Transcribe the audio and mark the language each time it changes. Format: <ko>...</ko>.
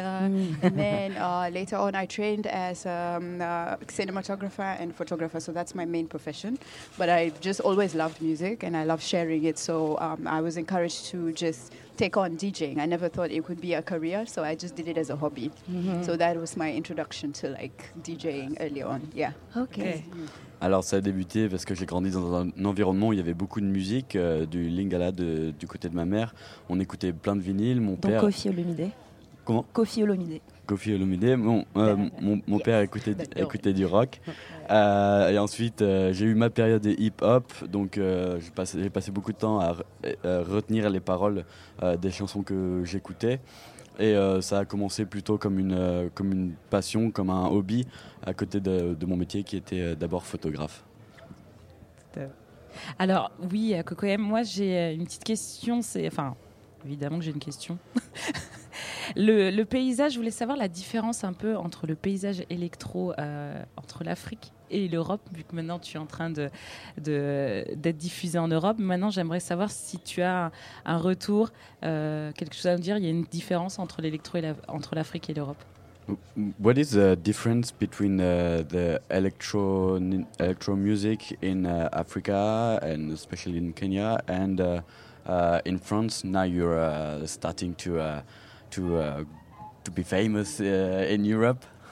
<en>And then later on, I trained as a cinematographer and photographer. So that's my main profession. But I just always loved music, and I love sharing it. So I was encouraged to just take on DJing. I never thought it could be a career, so I just did it as a hobby. So that was my introduction to like DJing early on. Yeah. Okay.</en> <fr>Alors ça a débuté parce que j'ai grandi dans un environnement où il y avait beaucoup de musique, du Lingala du côté de ma mère. On écoutait plein de vinyles. Mon père. Donc Koffi Olomide. Comment? Koffi Olomide. Koffi Olomide. Mon père écoutait du rock. Et ensuite j'ai eu ma période de hip hop. Donc j'ai passé beaucoup de temps à retenir les paroles des chansons que j'écoutais. Et ça a commencé plutôt comme une passion, comme un hobby à côté de mon métier qui était d'abord photographe. Alors oui, Coco M, moi j'ai une petite question. Enfin, évidemment que j'ai une question. le paysage, je voulais savoir la différence un peu entre le paysage électro entre l'Afrique et l'Europe, vu que maintenant tu es en train d'être diffusé en Europe. Maintenant, j'aimerais savoir si tu as un retour, quelque chose à me dire. Il y a une différence entre l'électro et entre l'Afrique et l'Europe.</fr> <en>What is the difference between the electro music in Africa and especially in Kenya and in France? Now you're starting to be famous in Europe.</en>